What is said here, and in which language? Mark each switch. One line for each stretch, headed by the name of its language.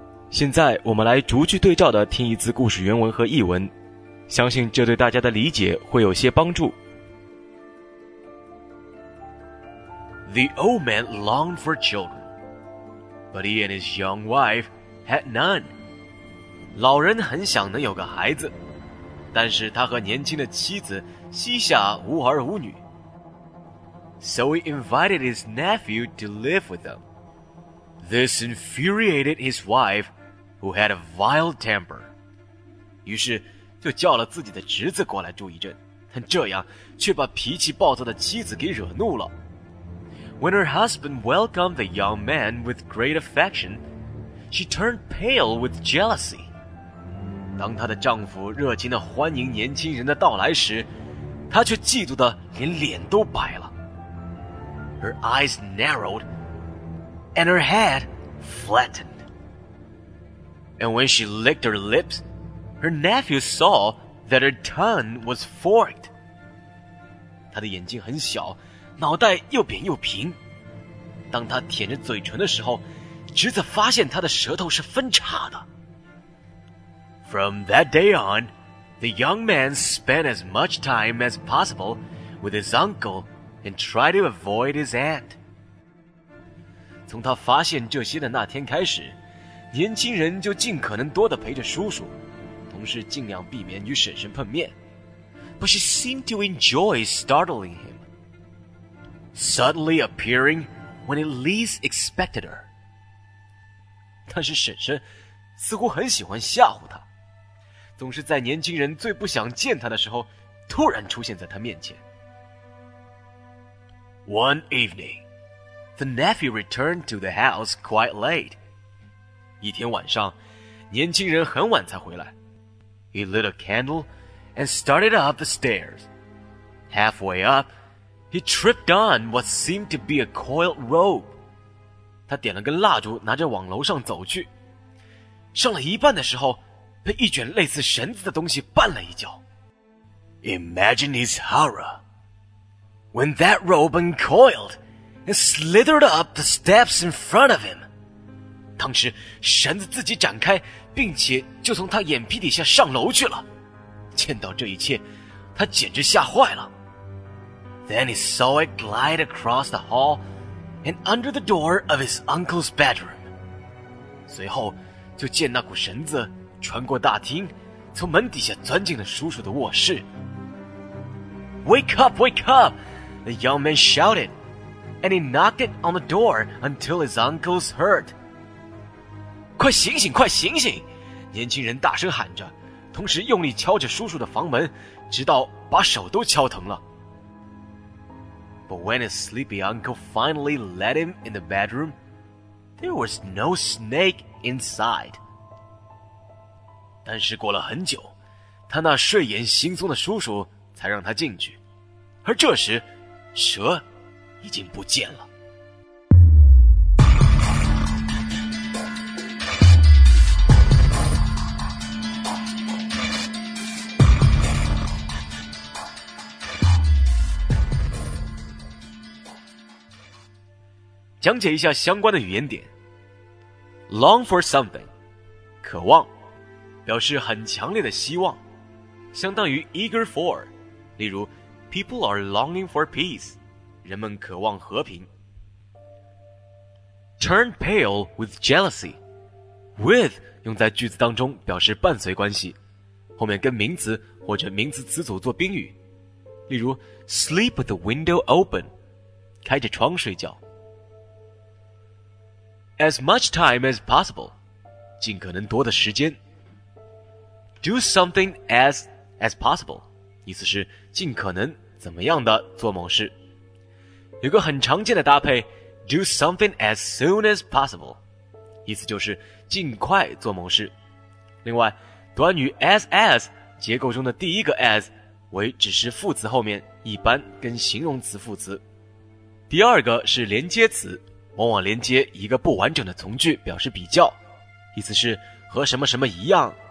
Chinese: 现在我们来逐句对照的听一次故事原文和译文，相信这对大家的理解会有些帮助。
English: The old man longed for children, but he and his young wife had none.
Chinese: 老人很想能有个孩子，但是他和年轻的妻子膝下无儿无女。
English: So he invited his nephew to live with them. This infuriated his wife,who had a vile temper.
Chinese: 于是就叫了自己的侄子过来住一阵，但这样却把脾气暴躁的妻子给惹怒了。
English: When her husband welcomed the young man with great affection, she turned pale with jealousy.
Chinese: 当她的丈夫热情地欢迎年轻人的到来时，她却嫉妒得连脸都白了。
English: Her eyes narrowed, and her head flattened. And when she licked her lips, her nephew saw that her tongue was forked.
Chinese: 她的眼睛很小，脑袋又扁又平。当她舔着嘴唇的时候，侄子发现她的舌头是分叉的。
English: From that day on, the young man spent as much time as possible with his uncle and tried to avoid his aunt.
Chinese: 从他发现这些的那天开始，年轻人就尽可能多地陪着叔叔，同时尽量避免与婶婶碰面。
English: But she seemed to enjoy startling him, suddenly appearing when it least expected her.
Chinese: 但是婶婶似乎很喜欢吓唬他。总是在年轻人最不想见他的时候突然出现在他面前。
English: One evening, the nephew returned to the house quite late.
Chinese: 一天晚上，年轻人很晚才回来。
English: He lit a candle and started up the stairs. Halfway up, he tripped on what seemed to be a coiled rope.
Chinese: 他点了根蜡烛，拿着往楼上走去。上了一半的时候，被一卷类似绳子的东西绊了一跤。
English: Imagine his horror when that rope uncoiled and slithered up the steps in front of him.
Chinese: 当时绳子自己展开，并且就从他眼皮底下上楼去了。见到这一切，他简直吓坏了。
English: Then he saw it glide across the hall and under the door of his uncle's bedroom.
Chinese: 随后就见那股绳子穿过大厅，从门底下钻进了叔叔的卧室。
English: Wake up, wake up! The young man shouted, and he knocked it on the door until his uncle's heard.
Chinese: 快醒醒，快醒醒！年轻人大声喊着，同时用力敲着叔叔的房门，直到把手都敲疼了。
English: But when his sleepy uncle finally let him in the bedroom, there was no snake inside.
Chinese: 但是过了很久，他那睡眼惺忪的叔叔才让他进去，而这时蛇已经不见了。讲解一下相关的语言点。
English: Long for something，
Chinese: 渴望，表示很强烈的希望，相当于
English: eager for，
Chinese: 例如
English: people are longing for peace，
Chinese: 人们渴望和平。
English: turn pale with jealousy，
Chinese: with 用在句子当中表示伴随关系，后面跟名词或者名词词组做宾语，例如
English: sleep with the window open，
Chinese: 开着窗睡觉。
English: as much time as possible，
Chinese: 尽可能多的时间。
English: Do something as possible，
Chinese: 意思是尽可能怎么样的做某事。有个很常见的搭配
English: ，do something as soon as possible，
Chinese: 意思就是尽快做某事。另外，短语 as 结构中的第一个 as 为指示副词后面，一般跟形容词副词。第二个是连接词，往往连接一个不完整的从句，表示比较，意思是和什么什么一样。